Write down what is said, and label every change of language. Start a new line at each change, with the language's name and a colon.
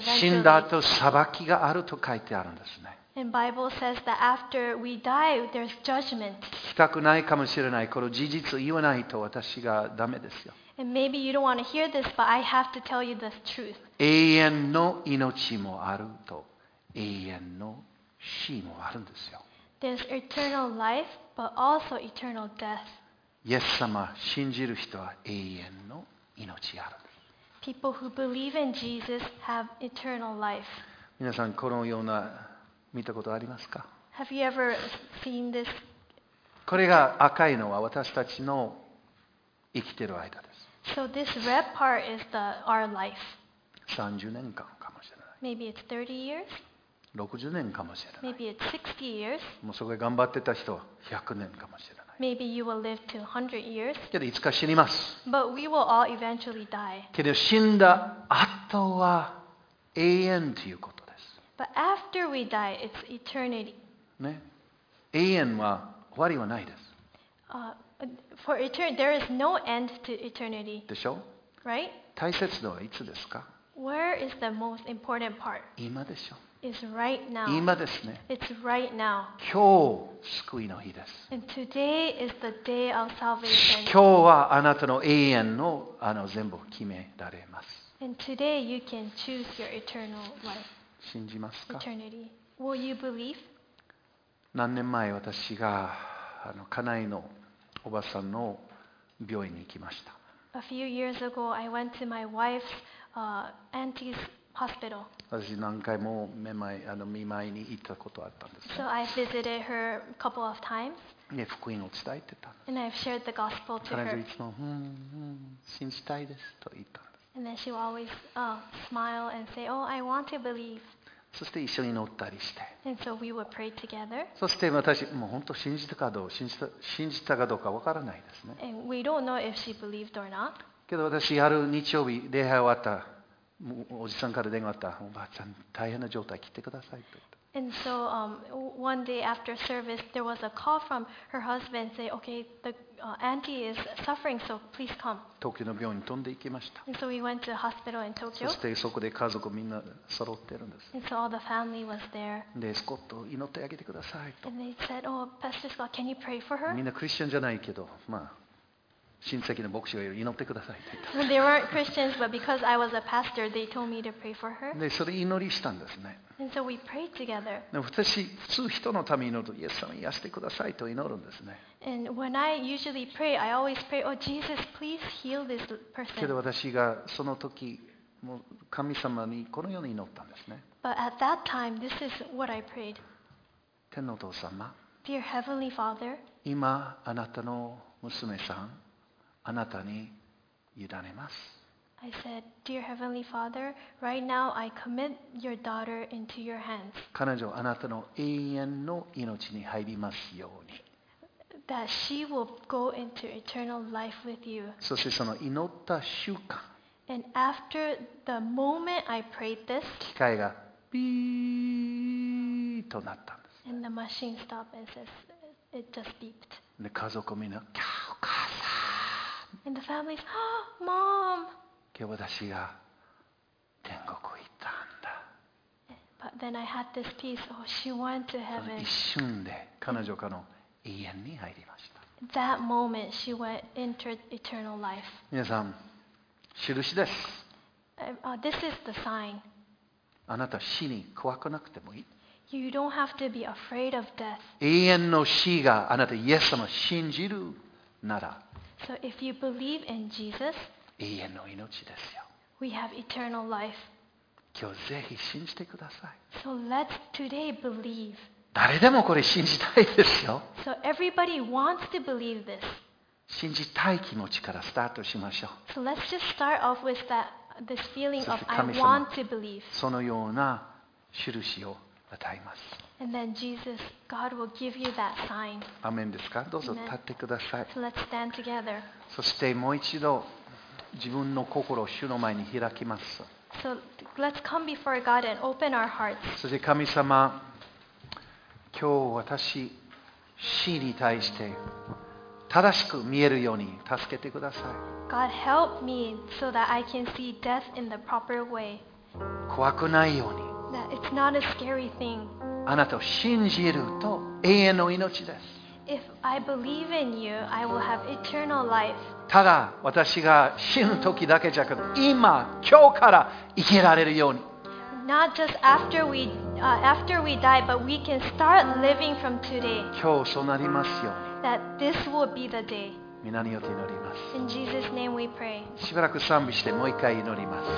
Japanese: 死んだ後裁きがあると書いてあるんですね。
English: And Bible says that after we die, there's judgment.
Japanese: 聞きたくないかもしれない。この事実を言わないと私がダメですよ。
English: And maybe you don't want to hear this, but I have to tell you the truth.
Japanese: 永遠の命もあると、永遠の死もあるんですよ。
English: There's eternal life, but also eternal death.
Japanese: イエス様信じる人は永遠の命あるんです。
English: People who believe in Jesus have eternal life.
Japanese: 皆さんこのような見たことありますか?
English: Have you ever seen this?
Japanese: これが赤いのは私たちの生きている間です。
English: So this red part is the our life.
Japanese: 30年間かもしれない。
English: Maybe it's 30 years.
Japanese: 60年かもしれない。
English: Maybe it's 60 years.
Japanese: もうそこで頑張ってた人は100年かもしれない。
English: Maybe you will live to 100 years.
Japanese: けどいつか死にます。
English: But we will all eventually die.
Japanese: けど死んだ後は永遠ということです。
English: But after we die, it's eternity.
Japanese: ね、永遠は終わりはないです。
English: For eternity, there is no end to eternity.
Japanese: でしょ?
English: Right?
Japanese: 大切のはいつですか?
English: Where is the most important part?
Japanese: 今でしょ。
English: Is right now.
Japanese: 今ですね。
English: It's right now.
Japanese: 今日救いの日です。
English: And today is the day of salvation.
Japanese: 今日はあなたの永遠の全部を決められます。
English: And today you can choose your eternal life.
Japanese: 信じますか?
English: Eternity. Will you believe?
Japanese: 何年前私が家内のおばさんの病院に行きました。
English: A few years ago, I went to my wife's auntie's hospital.
Japanese: 私何回もめまい見舞いに行ったことあったんです、ね。
English: So I visited her a couple of times.
Japanese: ね、福音を伝えてた。
English: And I've shared the gospel to her.
Japanese: 彼女いつも、信じたいですと言ったんです。
English: And then she will always smile and say, "Oh, I want to believe."
Japanese: そして一緒に乗ったりして。
English: And so we would pray together.
Japanese: そして私もう本当信じたかどうか信じたかどうかわからないですね。
English: And we don't know if she believed or not.
Japanese: けど私ある日曜日礼拝終わった。おじさんから電話があった。おばあちゃん、大変な状態、来てくださいと。
English: And so, one day after service, there was a call from her husband saying, "Okay, the auntie is suffering, so please come."
Japanese: 東京の病院に飛んで行きました。
English: And so we went to the hospital in Tokyo.
Japanese: そしてそこで家族みんな揃ってるんです。
English: And so all the family was there.
Japanese: で、スコット祈ってあげてくださいと。
English: And they said, "Oh, Pastor Scott, can you pray for her?"
Japanese: みんなクリスチャンじゃないけど、まあ親戚の牧師がいる祈ってくださいと言った。
English: They weren't Christians, but because I was a pastor, they told me to pray for her.
Japanese: で、それ祈りしたんですね。
English: And so we prayed together.
Japanese: 私、普通人のために祈ると、イエス様癒してくださいと祈るんですね。
English: And when I usually pray, I always pray, oh Jesus, please heal this person.
Japanese: けど私がその時、もう神様にこのように祈ったんですね。
English: But at that time, this is what I prayed.
Japanese: 天のお父様、
English: Dear Heavenly Father,
Japanese: 今、あなたの娘さん、あなたに委ねます。
English: I said, Dear Heavenly Father, right now I commit your daughter into your hands.
Japanese: 彼女、あなたの永遠の命に入りますように。
English: That she will go into eternal life with you.
Japanese: そしてその祈った瞬間、
English: And after the moment I prayed this,
Japanese: 機械がピーとなったんです。
English: And the machine stopped and says, it just beeped.
Japanese: で、家族みんな、キャー、お母さん。
English: And the family's, oh, mom!
Japanese: 今日私が天国行ったんだ。
English: But then I had this peace. Oh, she went to heaven.
Japanese: 一瞬で彼女の永遠に入りました。
English: That moment, she went into eternal life.
Japanese: 皆さん、印です。
English: This is the sign.
Japanese: あなた死に怖くなくてもいい。
English: You don't have to be afraid of death.
Japanese: 永遠の死があなたイエス様を信じるなら、
English: So if you believe in Jesus,
Japanese: 永遠の命ですよ。
English: We have eternal life.
Japanese: 今日ぜひ信じてください。
English: So let's today believe.
Japanese: 誰でもこれ信じたいですよ。
English: So everybody wants to believe this.
Japanese: 信じたい気持ちからスタートしましょう。
English: So let's just start off with that this feeling of I want to believe.
Japanese: そのような印を与えます。
English: And then Jesus, God will give you that sign.
Japanese: アメンですか。どうぞ立ってください。
English: So、let's stand together.
Japanese: そしてもう一度自分の心を主の前に開きます。
English: So let's come before God and open our hearts.
Japanese: そして神様、今日私死に対して正しく見えるように助けてください。
English: God help me so that I can see death in the proper way.
Japanese: 怖くないように。
English: That it's not a scary thing.
Japanese: あなたを信じると永遠の命です。
English: If I believe in you, I will have eternal life.
Japanese: ただ私が死ぬ時だけじゃなくて、今、今日から生きられるように。
English: Not just after we die, but we can start living from today.
Japanese: 今日そうなりますように。
English: That this will be the day.
Japanese: 皆によって祈ります。
English: In Jesus' name we pray.
Japanese: しばらく賛美してもう一回祈ります。